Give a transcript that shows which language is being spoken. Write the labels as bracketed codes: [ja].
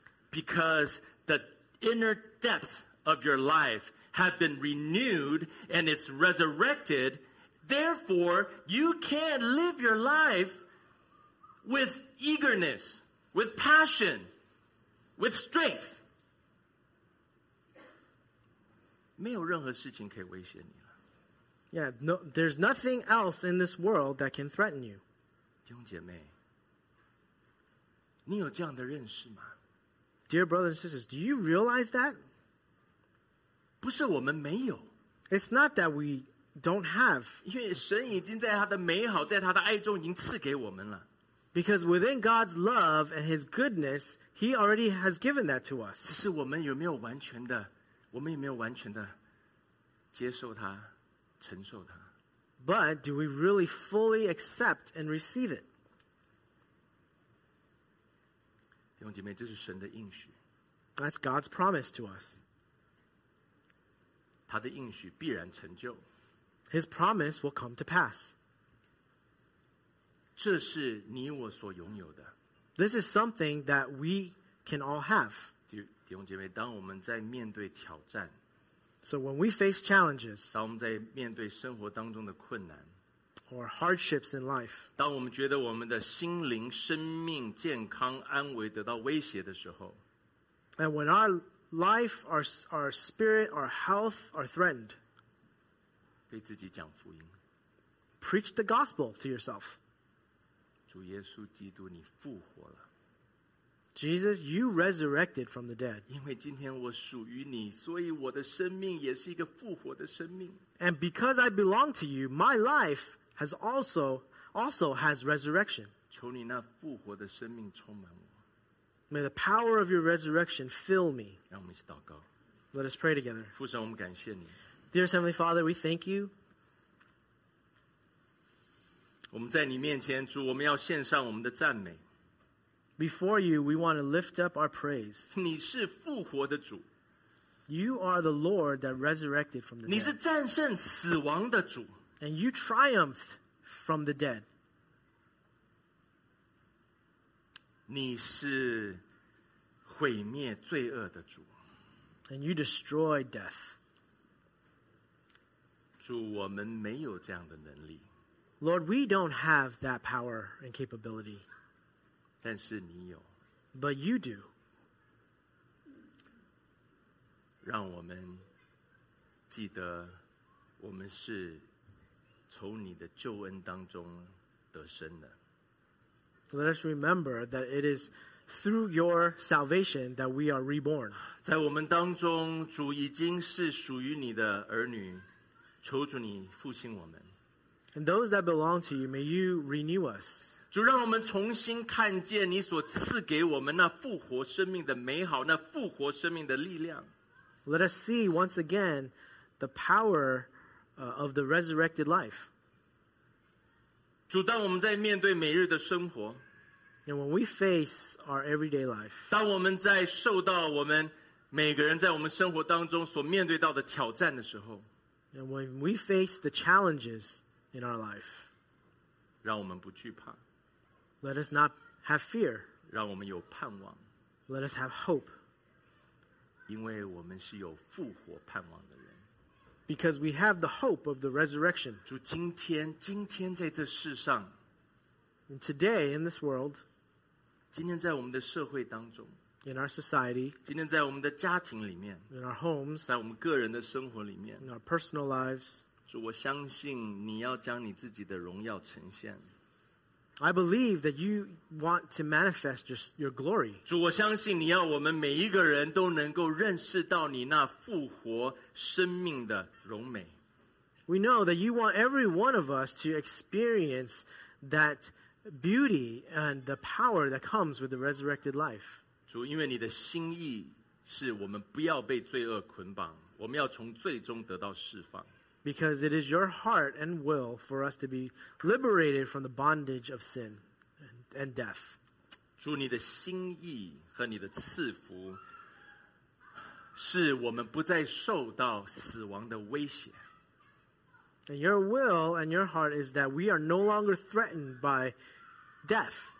[en] Because the inner depth of your life have been renewed and it's resurrected, therefore you can live your life with eagerness, with passion, with strength. [zh] 没有任何事情可以威胁你了。 [en] Yeah, no, there's nothing else in this world that can threaten you. [zh] 弟兄姐妹，你有这样的认识吗？ [en] Dear brothers and sisters, do you realize that? [zh] 不是我们没有。 [en] It's not that we don't have. [zh] 因为神已经在他的美好，在他的爱中已经赐给我们了。 [en] Because within God's love and his goodness, he already has given that to us. [zh] 只是我们有没有完全的，我们有没有完全的接受他，承受他。 [en] But do we really fully accept and receive it? [zh] 弟兄姐妹，这是神的应许。 [en] That's God's promise to us. [zh] 他的应许必然成就。 [en] His promise will come to pass. [zh] 这是你我所拥有的。 [en] This is something that we can all have. [zh] 弟兄姐妹，当我们在面对挑战， [en] So when we face challenges, [zh] 当我们在面对生活当中的困难， [en] or hardships in life, [zh] 当我们觉得我们的心灵、生命、健康、安危得到威胁的时候， [en] and when our life, our spirit, our health are threatened, [zh] 对自己讲福音， [en] preach the gospel to yourself. [zh] 主耶稣基督，你复活了。 [en] Jesus, you resurrected from the dead. [zh] 因为今天我属于你，所以我的生命也是一个复活的生命。 [en] And because I belong to you, my life has also has resurrection. [zh] 求你那复活的生命充满我。 [en] May the power of your resurrection fill me. [zh] 让我们一起祷告。 [en] Let us pray together. [zh] 父神，我们感谢你。 [en] Dear Heavenly Father, we thank you. [zh] 我们在你面前，主，我们要献上我们的赞美。 [en] Before you, we want to lift up our praise. [zh] 你是复活的主。 [en] You are the Lord that resurrected from the dead. [zh] 你是战胜死亡的主。 [en] And you triumphed from the dead. [zh] 你是毁灭罪恶的主。 [en] And you destroyed death. [zh] 主，我们没有这样的能力。 [en] Lord, we don't have that power and capability. [zh] 但是你有。 [en] But you do. [zh] 让我们记得我们是从你的救恩当中得生的。 [en] Let us remember that it is through your salvation that we are reborn. [zh] 在我们当中，主已经是属于你的儿女，求主你复兴我们。 [en] And those that belong to you, may you renew us. [zh] 主，让我们重新看见你所赐给我们那复活生命的美好，那复活生命的力量。 [en] Let us see once again the power of the resurrected life. [zh] 主，当我们在面对每日的生活， [en] and when we face our everyday life, [zh] 当我们在受到我们每个人在我们生活当中所面对到的挑战的时候， [en] and when we face the challenges in our life, [zh] 让我们不惧怕。 [en] Let us not have fear. [zh] 让我们有盼望。 [en] Let us have hope. [zh] 因为我们是有复活盼望的人。 [en] Because we have the hope of the resurrection. [zh] 主，今天在这世上。 [en] And today in this world. [zh] 今天在我们的社会当中。 [en] In our society. [zh] 今天在我们的家庭里面。 [en] In our homes. [zh] 在我们个人的生活里面。 [en] In our personal lives. [zh] 主，我相信你要将你自己的荣耀呈现。 [en] I believe that you want to manifest your glory. [zh] 主，我相信你要我们每一个人都能够认识到你那复活生命的荣美。 [en] We know that you want every one of us to experience that beauty and the power that comes with the resurrected life. [zh] 主，因为你的心意是我们不要被罪恶捆绑，我们要从罪中得到释放。 [en] Because it is your heart and will for us to be liberated from the bondage of sin and death. [zh] 主，你的心意和你的赐福是我们不再受到死亡的威胁。 [en] And your will and your heart is that we are no longer threatened by death.